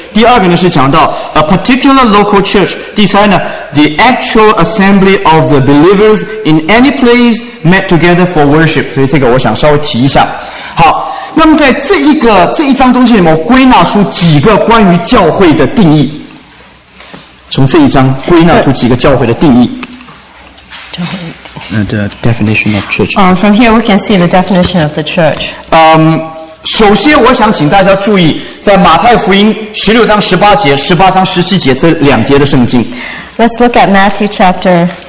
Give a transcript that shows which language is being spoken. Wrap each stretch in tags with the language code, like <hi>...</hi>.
<zh>第二个呢是讲到</zh> <en>a particular local church.</en> <zh>第三呢</zh> <en>the actual assembly of the believers in any place met together for worship.</en> <zh>所以这个我想稍微提一下。好。那么在这一章东西里面，我归纳出几个关于教会的定义。从这一章归纳出几个教会的定义。</zh> <en>The definition of church. From here, we can see the definition of the church.</en> <zh>首先，我想请大家注意，在马太福音16章18节、18章17节这两节的圣经。</zh> <en>Let's look at Matthew chapter</en>